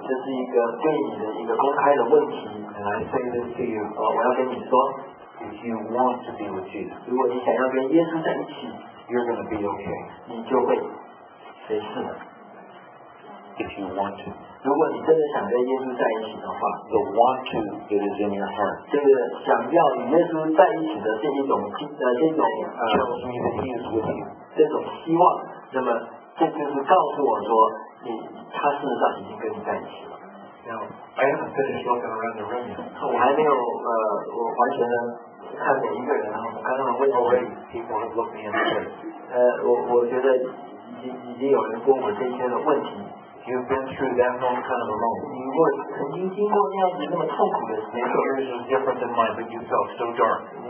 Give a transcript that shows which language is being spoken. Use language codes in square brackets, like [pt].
[zh] 这是一个对你的一个公开的问题。 [en] And I say this to you. [zh] 我要跟你说。 [en] If you want to be with Jesus. [zh] 如果你想要跟耶稣在一起。 [en] You're going to be okay. [zh] 你就会没事的。 [en] If you want to. [zh] 如果你真的想跟耶稣在一起的话， [en] The want to that is in your heart. [zh] 这个想要与耶稣在一起的这一种 [en] tells me that he is with you. [zh] 这种希望， 那么这就是告诉我说， 他事实上已经跟你在一起了。 [en] Now, I haven't finished looking around the room yet. [zh] 我还没有完全的看每一个人，我刚刚问过。Already [en] people have looked me in the face. [zh] 我觉得已经有人问我这些的问题。 [en] You've been through that long kind of a moment. [zh] 你如果曾经经过那样子那么痛苦的时间， [en] Yours is different than mine, but you felt so dark.